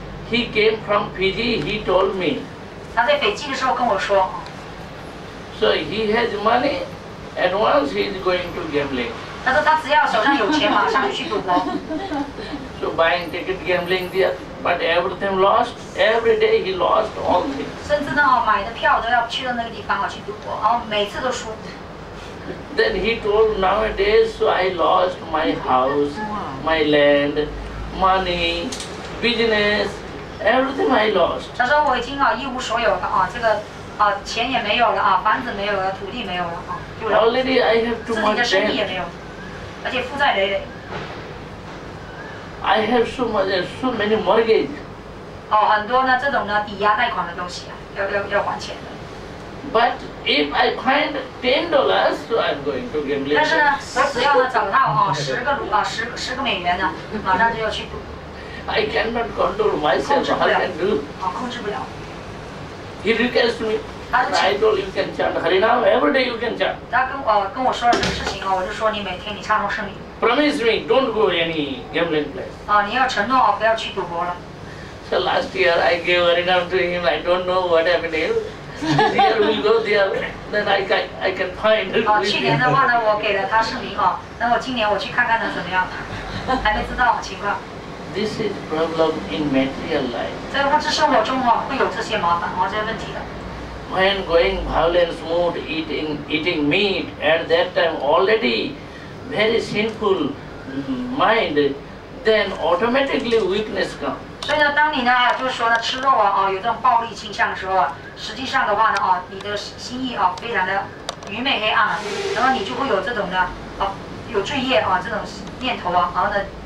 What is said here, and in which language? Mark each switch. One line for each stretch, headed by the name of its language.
English: He came from Fiji, he told me.
Chinese: 他在斐济的时候跟我说。
English: So he has money, at once he is going to gambling.
Chinese: 他说他只要手上有钱马上去赌博。
English: So buying ticket gambling there, but everything lost, every day he lost all things.
Chinese: 甚至呢买的票都要去到那个地方去赌博每次都输。
English: Then he told nowadays, so I lost my house, my land, money, business, everything I lost.
Chinese: 他说我已经啊一无所有了啊，这个啊钱也没有了啊，房子没有了，土地没有了啊。
English: Already I have too much debt.
Chinese: 自己的生意也没有，而且负债累累。
English: I have so much, so many mortgage.
Chinese: 哦，很多呢，这种呢抵押贷款的东西啊，要还钱的。
English: But if I find $10, so I'm going to gamble.
Chinese: 但是呢，我只要呢找到啊十个美元呢，马上就要去赌。
English: I cannot control myself.
Chinese: 控制不了。好，控制不了。
English: He requests me. I told you can chant Harinam every day. You can chant.
Chinese: 他跟我说了这个事情啊，我就说你每天你唱诵圣名。
English: Promise me, don't go any gambling place.
Chinese: 啊，你要承诺哦，不要去赌博了。
English: So last year I gave Harinam to him. I don't know what happened. There we go there. Then I can find.
Chinese: 啊，去年的话呢，我给了他圣名哦。那我今年我去看看他怎么样，还没知道情况。
English: This is problem in material life.
Chinese: 在物质生活中哦，会有这些麻烦，这些问题的。
English: When going violence mode, eating meat, at that time already very sinful mind, then automatically weakness comes.
Chinese: 所以呢，当你呢，就是说呢，吃肉啊，有这种暴力倾向的时候，实际上的话呢，你的心意啊，非常的愚昧黑暗，然后你就会有这种呢，有罪业啊，这种念头啊，然后呢，